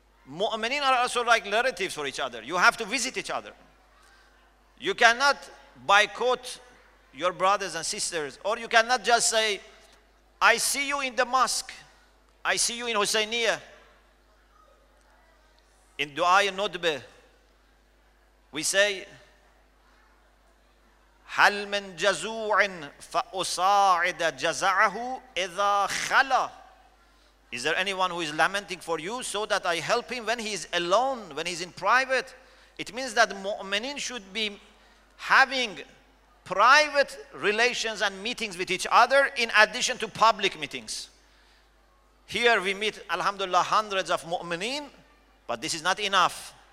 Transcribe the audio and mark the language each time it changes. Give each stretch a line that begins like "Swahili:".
English: Mu'mineen are also like relatives for each other. You have to visit each other. You cannot boycott your brothers and sisters, or you cannot just say, I see you in the mosque, I see you in Husseiniya, in Dua and Nodbe. We say,
Arabic: هل من جزوع فأصاعد جزعه إذا خلا.
English: Is there anyone who is lamenting for you so that I help him when he is alone, when he is in private? It means that mu'minin should be having private relations and meetings with each other in addition to public meetings. Here we meet, alhamdulillah, hundreds of mu'minin, but this is not enough.